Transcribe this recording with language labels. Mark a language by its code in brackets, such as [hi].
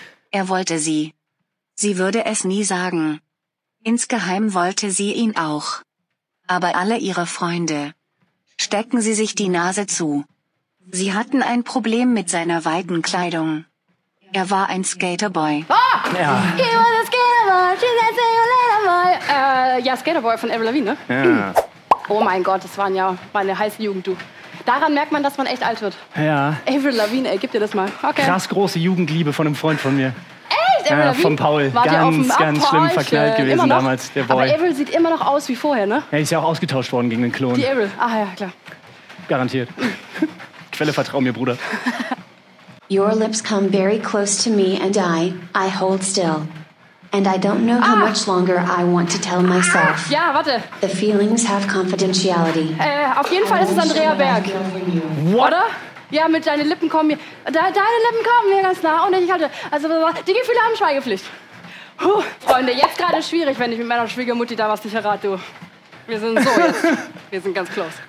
[de] Er wollte sie. Sie würde es nie sagen. Insgeheim wollte sie ihn auch. Aber alle ihre Freunde. Stecken sie sich die Nase zu. Sie hatten ein Problem mit seiner weiten Kleidung. Er war ein Skaterboy. Ah! Ja. [en] He was a Skaterboy, she said see you later, boy. [de] Ja, Skaterboy von Avril Lavigne, ne? Ja. Oh mein Gott, das waren ja meine heiße Jugend, du. Daran merkt man, dass man echt alt wird. Ja. Avril Lavigne, ey, gib dir das mal. Okay. Krass große Jugendliebe von einem Freund von mir. Echt? Ja, von Paul. Ganz schlimm verknallt gewesen damals, der Boy. Aber Avril sieht immer noch aus wie vorher, ne? Ja, ist ja auch ausgetauscht worden gegen den Klon. Die Avril, ah ja, klar. Garantiert. Quelle vertrau mir, Bruder. [en] Your lips come very close to me and I hold still. And I don't know how much longer I want to tell myself. [de] Ja, warte. [en] The feelings have confidentiality. [de] Auf jeden Fall ist es Andrea Berg. [en] What? [de] Oder? Ja, mit deinen Lippen kommen mir. Deine Lippen kommen mir ganz nah und ich halte. Also, die Gefühle haben Schweigepflicht. Puh, Freunde, jetzt gerade schwierig, wenn ich mit meiner Schwiegermutti da was nicht errate, du. Wir sind so jetzt. Wir sind ganz close.